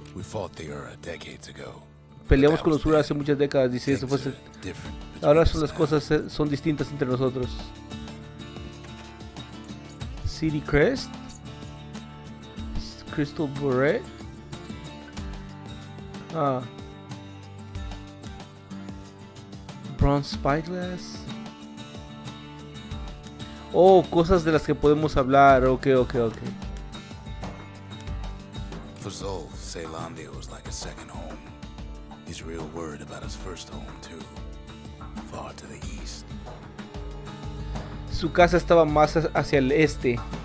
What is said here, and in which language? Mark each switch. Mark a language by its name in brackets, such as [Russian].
[English] We fought the Ura decades ago. [Spanish] Peleamos con los Ura hace muchas décadas, dice. Eso fue ahora son las cosas son distintas entre nosotros. [English] City Crest. Crystal Barret. Bronze Spyglass. [Spanish] Oh, cosas de las que podemos hablar. [English] Ok. For Zol, Ceylandia was like a second home. He's real worried about his first home, too. Far to the east. [Spanish] Su casa estaba más hacia el este.